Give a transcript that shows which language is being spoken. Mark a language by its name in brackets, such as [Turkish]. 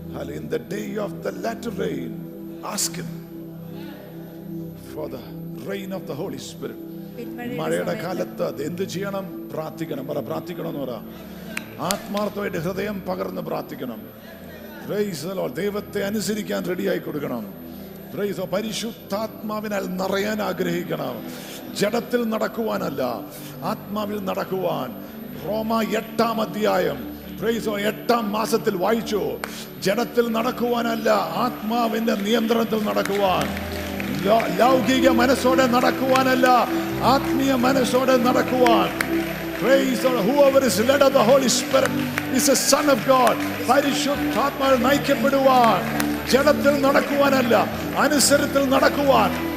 [English] In the day of the latter rain, ask Him for the rain of the Holy Spirit. [Malayalam] മഴയുടെ കാലത്ത് അത് എന്ത് ചെയ്യണം? പ്രാർത്ഥിക്കണം. പറ പ്രാർത്ഥിക്കണമെന്ന് പറ ആത്മാർത്ഥമായിട്ട് ഹൃദയം പകർന്ന് പ്രാർത്ഥിക്കണം. [English] Praise the Lord. [Malayalam] ദൈവത്തെ അനുസരിക്കാൻ റെഡിയായി കൊടുക്കണം. [English] praise the [Malayalam] പരിശുദ്ധാത്മാവിനാൽ നിറയാൻ ആഗ്രഹിക്കണം. ജഡത്തിൽ നടക്കുവാനല്ല, ആത്മാവിൽ നടക്കുവാൻ. റോമാ 8:8. [English] praise the [Malayalam] 8 വായിച്ചു. ജഡത്തിൽ നടക്കുവാനല്ല, ആത്മാവിന്റെ നിയന്ത്രണത്തിൽ നടക്കുവാൻ. ലൗകിക മനസ്സോടെ നടക്കുവാനല്ല, ആത്മീയ മനസ്സോടെ നടക്കുവാൻ. [English] Praise the whoever is led of the Holy Spirit is a son of God. [Malayalam] പരിശുദ്ധാത്മാവ് നയിക്കപ്പെടുവാൻ, ജഡത്തിൽ നടക്കുവാനല്ല, അനുസരണത്തിൽ നടക്കുവാൻ.